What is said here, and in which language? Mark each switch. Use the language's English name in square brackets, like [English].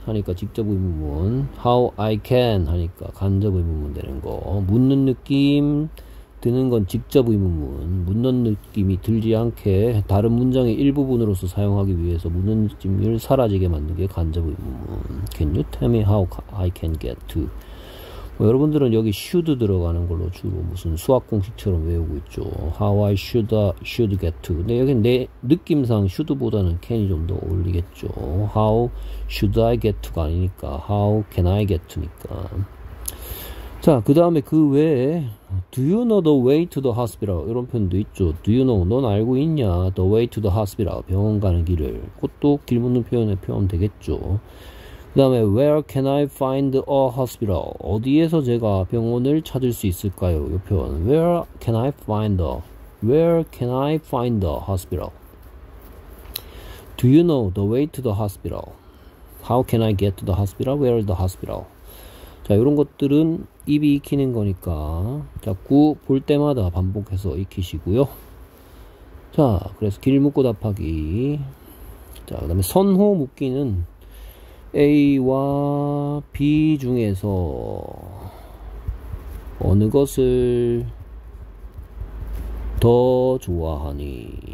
[Korean] 하니까 직접 의문문. [English] How I can? [Korean] 하니까 간접 의문문 되는 거. 묻는 느낌 드는 건 직접 의문문. 묻는 느낌이 들지 않게 다른 문장의 일부분으로서 사용하기 위해서 묻는 느낌을 사라지게 만든 게 간접 의문문. [English] Can you tell me how I can get to? [Korean] 뭐 여러분들은 여기 should 들어가는 걸로 주로 무슨 수학 공식처럼 외우고 있죠. [English] How I should get to. [Korean] 근데 여기 내 느낌상 should보다는 can이 좀더 어울리겠죠. [English] How should I get to가 아니니까. How can I get to니까. [Korean] 자, 그 다음에 그 외에 [English] Do you know the way to the hospital? [Korean] 이런 표현도 있죠. [English] Do you know? [Korean] 넌 알고 있냐? [English] The way to the hospital. [Korean] 병원 가는 길을. 그것도 길 묻는 표현에 포함되겠죠. 그 다음에 [English] Where can I find a hospital? [Korean] 어디에서 제가 병원을 찾을 수 있을까요? 이 표현. [English] Where can I find a? Where can I find a hospital? Do you know the way to the hospital? How can I get to the hospital? Where is the hospital? [Korean] 자, 이런 것들은 입이 익히는 거니까 자꾸 볼 때마다 반복해서 익히시고요. 자, 그래서 길 묻고 답하기. 자, 그다음에 선호 묻기는 A와 B 중에서 어느 것을 더 좋아하니?